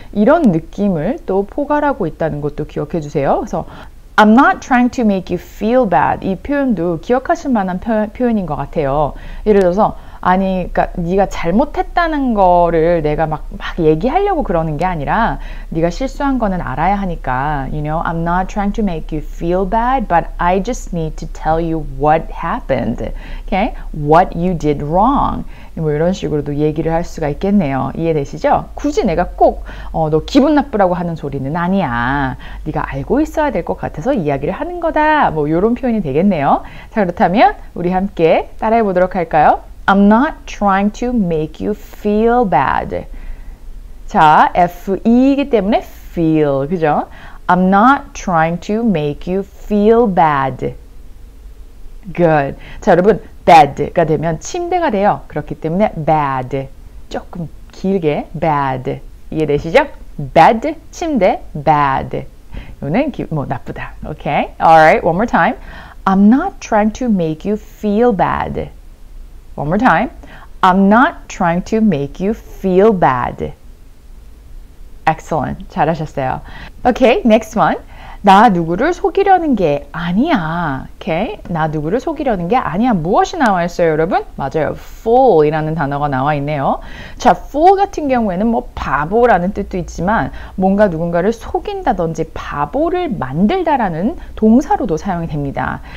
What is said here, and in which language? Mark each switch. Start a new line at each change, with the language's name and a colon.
Korean: 이런 느낌을 또 포괄하고 있다는 것도 기억해 주세요. 그래서
English: I'm not trying to make you feel bad.
Korean: 이 표현도 기억하실 만한 표현인 것 같아요. 예를 들어서 아니, 그러니까 네가 잘못했다는 거를 내가 막 얘기하려고 그러는 게 아니라 네가 실수한 거는 알아야 하니까.
English: You know, I'm not trying to make you feel bad, but I just need to tell you what happened. Okay? What you did wrong.
Korean: 뭐 이런 식으로도 얘기를 할 수가 있겠네요. 이해되시죠? 굳이 내가 꼭 너 기분 나쁘라고 하는 소리는 아니야. 네가 알고 있어야 될 것 같아서 이야기를 하는 거다. 뭐 이런 표현이 되겠네요. 자, 그렇다면 우리 함께 따라해 보도록 할까요?
English: I'm not trying to make you feel bad.
Korean: 자, FE이기 때문에 feel, 그죠?
English: I'm not trying to make you feel bad. Good.
Korean: 자, 여러분, bad가 되면 침대가 돼요. 그렇기 때문에 bad. 조금 길게 bad. 이해되시죠?
English: bed, 침대, bad.
Korean: 이거는 뭐 나쁘다.
English: Okay? Alright, one more time. I'm not trying to make you feel bad. One more time. I'm not trying to make you feel bad. Excellent.
Korean: 잘하셨어요.
English: Okay, next one.
Korean: 나 누구를 속이려는 게 아니야.
English: Okay?
Korean: 나 누구를 속이려는 게 아니야. 무엇이 나와 있어요, 여러분? 맞아요. Fool이라는 단어가 나와 있네요. 자, fool 같은 경우에는 뭐 바보라는 뜻도 있지만 뭔가 누군가를 속인다든지 바보를 만들다라는 동사로도 사용이 됩니다.